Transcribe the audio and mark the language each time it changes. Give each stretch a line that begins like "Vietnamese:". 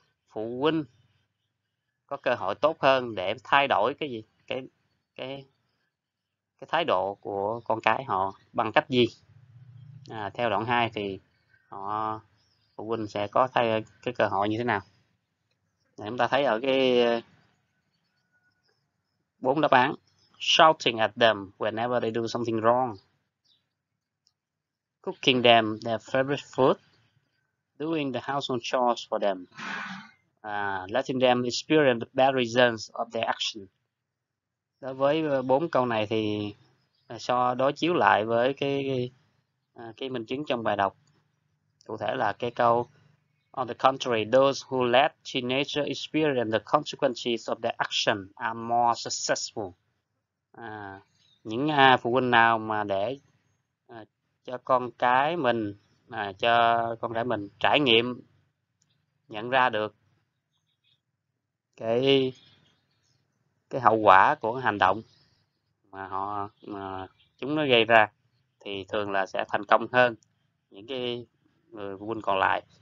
Vietnamese: Phụ huynh có cơ hội tốt hơn để thay đổi cái gì? Cái thái độ của con cái họ bằng cách gì? Theo đoạn 2 thì họ phụ huynh sẽ có thay cái cơ hội như thế nào? Chúng ta thấy ở cái 4 đáp án:
English: shouting at them whenever they do something wrong, cooking them their favorite food, doing the household chores for them, Letting them experience the bad reasons of their action.
Vietnamese: Đối với bốn câu này thì so đối chiếu lại với cái minh chứng trong bài đọc. Cụ thể là cái câu
English: On the contrary, those who let teenager experience the consequences of their action are more successful.
Vietnamese: Những phụ huynh nào mà để cho con cái mình cho con cái mình trải nghiệm nhận ra được cái hậu quả của hành động mà họ mà chúng nó gây ra thì thường là sẽ thành công hơn những cái người phụ huynh còn lại.